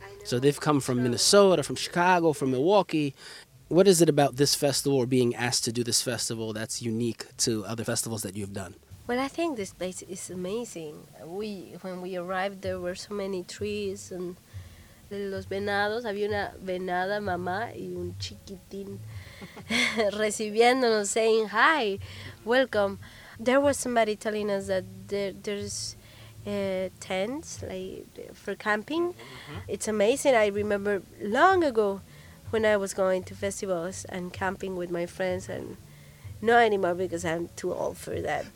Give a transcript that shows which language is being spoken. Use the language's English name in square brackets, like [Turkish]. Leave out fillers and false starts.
[English] So they've come from Minnesota, from Chicago, from Milwaukee. What is it about this festival or being asked to do this festival that's unique to other festivals that you've done? Well, I think this place is amazing. When we arrived, there were so many trees and [Spanish] los venados. Había una venada mamá y un chiquitín recibiéndonos, [English] saying hi, welcome. There was somebody telling us that there's tents like for camping. Mm-hmm. It's amazing. I remember long ago when I was going to festivals and camping with my friends, and not anymore because I'm too old for that.